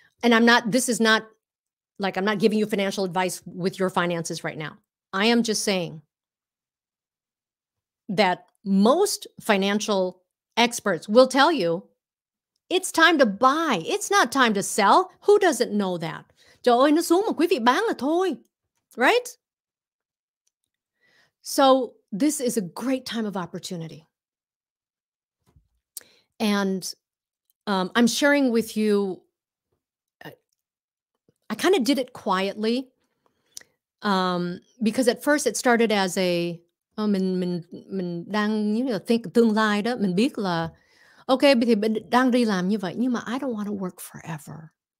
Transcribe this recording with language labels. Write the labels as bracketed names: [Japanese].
[English] And I'm not giving you financial advice with your finances right now. I am just saying that most financial experts will tell you it's time to buy. It's not time to sell. Who doesn't know that? [Vietnamese] Trời ơi, nó xuống mà quý vị bán là thôi. [English] Right? So this is a great time of opportunity. And I'm sharing with you, I kind of did it quietly because at first it started as a [Vietnamese] mình đang [English] think [Vietnamese] tương lai đó, mình biết là [English] okay, [Vietnamese] thì mình đang đi làm như vậy, nhưng mà [English] I don't want to work forever.